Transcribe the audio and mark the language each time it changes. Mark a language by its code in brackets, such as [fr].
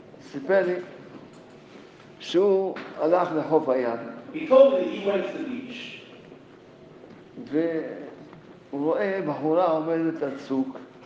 [he] סיפר לי שהוא הלך לחוף הים. [en] He told me that he went to the beach. [he] והוא רואה בחורה עומדת על צוק